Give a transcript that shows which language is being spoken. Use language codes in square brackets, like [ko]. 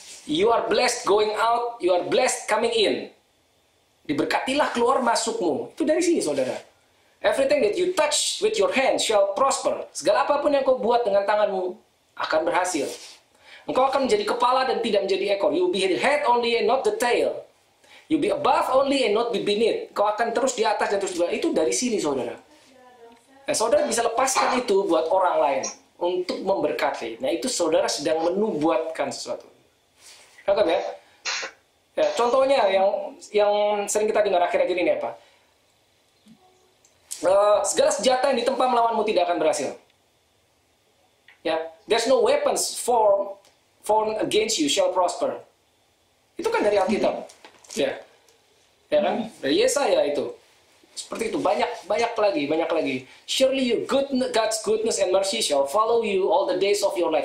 [en] You are blessed going out, you are blessed coming in. [id] Diberkatilah keluar masukmu. Itu dari sini, saudara. [en] Everything that you touch with your hand shall prosper. [id] Segala apapun yang kau buat dengan tanganmu akan berhasil. Engkau akan menjadi kepala dan tidak menjadi ekor. [en] You'll be the head only and not the tail. You'll be above only and not be beneath. [id] Kau akan terus di atas dan terus di bawah. Itu dari sini, saudara. Nah, saudara bisa lepaskan itu buat orang lain. Untuk memberkati. Nah, itu saudara sedang menubuatkan sesuatu. Kakak ya? Ya, contohnya yang sering kita dengar akhir-akhir ini apa? Segala senjata yang ditempa melawanmu tidak akan berhasil. [en] Ya, there's no weapons formed against you shall prosper. [id] Itu kan dari Alkitab. Ya. Ya kan? Dari Yesaya itu. Seperti itu banyak lagi. [en] Surely your goodness, God's goodness and mercy shall follow you all the days of your life.